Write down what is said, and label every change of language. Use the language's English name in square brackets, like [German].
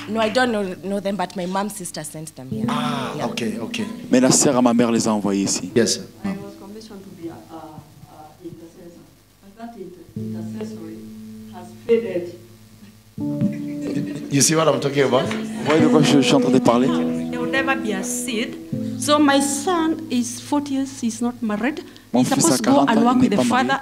[English] No, I don't know them, but my mom's sister sent them here. Ah, yeah. Okay. [French] Mais la sœur à ma mère les a envoyés ici. [English] Yes. Sir. I was commissioned to be a intercessor. But that intercessory has faded. You see what I'm talking about? [French] Vous voyez de quoi je suis en train de parler? [English] There will never be a seed. So my son is 40 years, he's not married. [French] Mon [English] he's supposed to go and work with the father.